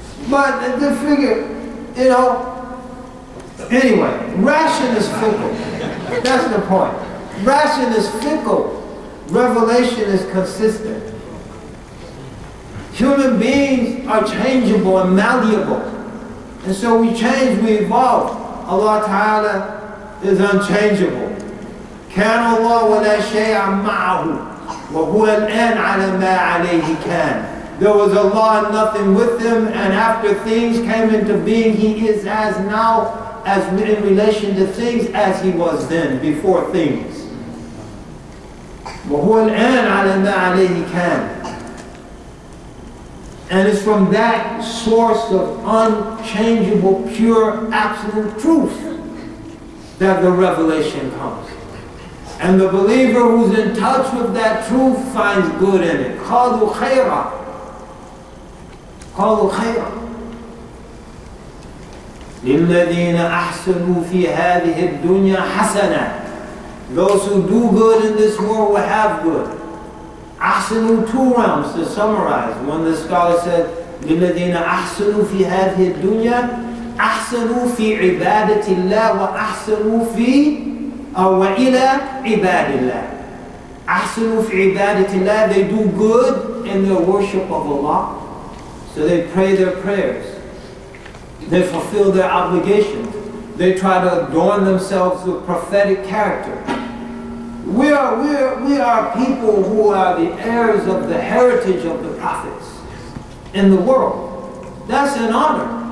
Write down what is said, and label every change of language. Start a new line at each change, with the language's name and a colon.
English: But the figure, you know, anyway, ration is fickle. That's the point. Ration is fickle. Revelation is consistent. Human beings are changeable and malleable. And so we change, we evolve. Allah Ta'ala is unchangeable.
Arabic: كان الله ولا شيء معه وهو الآن على ما عليه كان.
English: There was Allah and nothing with him, and after things came into being, he is as now, as in relation to things, as he was then, before things.
Arabic: وَهُوَ الْآنَ عَلَى مَا عَلَيْهِ كَانَ.
English: And it's from that source of unchangeable, pure, absolute truth that the revelation comes. And the believer who's in touch with that truth finds good in it.
Arabic: قَالُوا خَيْرًا. قالوا خيرا للذين أحسنوا في هذه الدنيا حسنا.
English: Those who do good in this world will have good. أحسنوا, two realms to summarize. When the scholar said
Arabic: للذين أحسنوا في هذه الدنيا, أحسنوا في عبادة الله وأحسنوا في أو إلى عباد الله. أحسنوا في عبادة الله,
English: they do good in their worship of Allah. So they pray their prayers. They fulfill their obligations. They try to adorn themselves with prophetic character. We are people who are the heirs of the heritage of the prophets in the world. That's an honor.